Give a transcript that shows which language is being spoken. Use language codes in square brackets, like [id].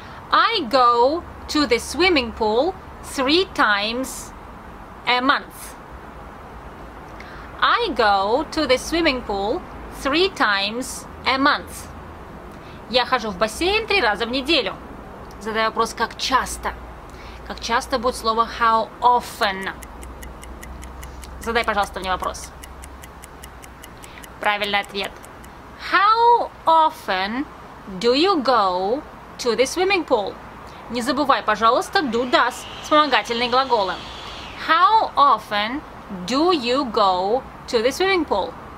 [en] I go to the swimming pool 3 times a month. I go to the swimming pool 3 times a month. [ru] Я хожу в бассейн 3 раза в неделю. Задаю вопрос, как часто? Как часто будет слово [en] how often? [ru] Задай, пожалуйста, мне вопрос. Правильный ответ. [en] How often do you go to the swimming pool? [ru] Не забывай, пожалуйста, do, does, вспомогательные глаголы. [en] How often do you go to the swimming pool?